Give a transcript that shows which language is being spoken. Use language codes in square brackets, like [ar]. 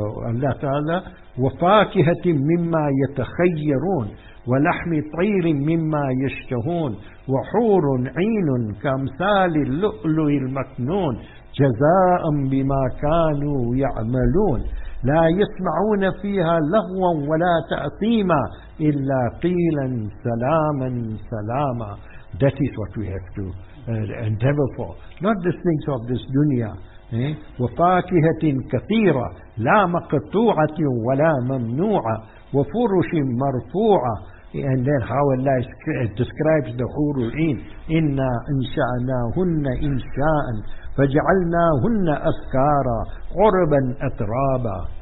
[ar] Allah Ta'ala, وَفَاكِهَةٍ مِمَّا يَتَخَيَّرُونَ وَلَحْمِ طَيْرٍ مِمَّا يَشْتَهُونَ وَحُورٌ عِينٌ كَمْثَالِ اللُّؤْلُؤِ الْمَكْنُونَ جَزَاءً بِمَا كَانُوا يَعْمَلُونَ لا يسمعون فيها لغوا ولا تأثيما إلا قيلا سلاما سلاما. [en] That is what we have to endeavor for. Not the things of this dunya. [ar] وفاكهة كثيرة لا مقطوعة ولا ممنوعة وفرش مرفوعة. [en] And then how Allah describes the حور العين. [ar] إنا أنشأناهن إنشاء فجعلناهن أذكارا عربا أترابا.